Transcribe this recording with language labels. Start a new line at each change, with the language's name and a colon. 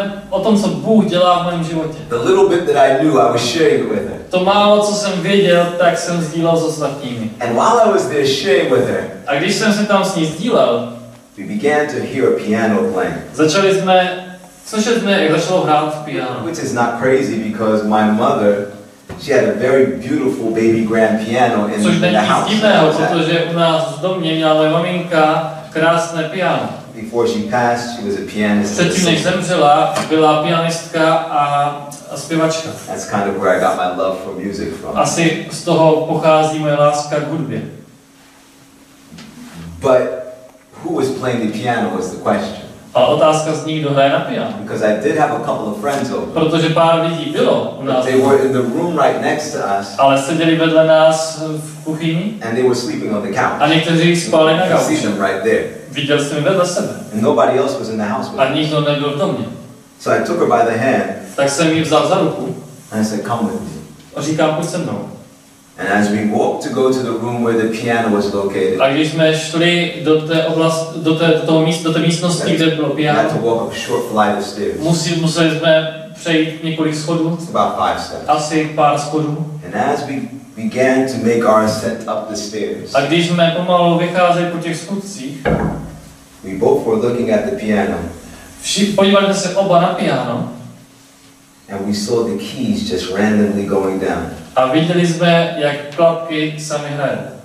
Czech: O tom, co Bůh dělá v mém životě.
English: The little bit that I knew, I was sharing with her.
Czech: To málo, co jsem věděl, tak jsem sdílel s ostatními.
English: And while I was there sharing with her,
Czech: a když jsem se tam s ní sdílel,
English: we began to hear a piano playing.
Czech: Začali jsme slyšet, jak začalo hrát piano.
English: Which is not crazy because my mother, she had a very beautiful baby grand piano in the house.
Czech: Což není divného, protože u nás v domě měla maminka krásné piano.
English: Before she passed, she was a pianist.
Czech: Předtím, než zemřela, byla pianistka a zpěvačka.
English: That's kind of where I got my love for music from.
Czech: Asi z toho pochází moje láska k hudbě.
English: But who was playing the piano was the question.
Czech: A otázka zní, kdo hraje na piano.
English: Because I did have a couple of friends over.
Czech: Protože pár lidí bylo u nás.
English: But they were in the room right next to us.
Czech: Ale seděli vedle nás v kuchyni.
English: And they were sleeping on the couch.
Czech: A někteří spali na gauči.
English: I see them right there.
Czech: Viděl jsem ji vedle sebe.
English: And nobody else was in the house with me.
Czech: A nikdo nebyl v domě.
English: So I took her by the hand.
Czech: Tak jsem ji vzal za ruku.
English: And I said, come with me.
Czech: A říkám, pojď se mnou.
English: And as we walked to go to the room where the piano was located.
Czech: A když jsme šli do té oblasti, do té místnosti, kde bylo piano.
English: We had to walk up a short flight of stairs.
Czech: Museli jsme přejít několik schodů.
English: About 5 steps.
Czech: Asi pár schodů.
English: And as we began to make our ascent up the stairs.
Czech: A když jsme pomalu vycházeli po těch schodcích.
English: We both were looking at the piano.
Czech: Podívali jsme se oba na piano.
English: And we saw the keys just randomly going down.
Czech: A viděli jsme, jak klapky sami hrají.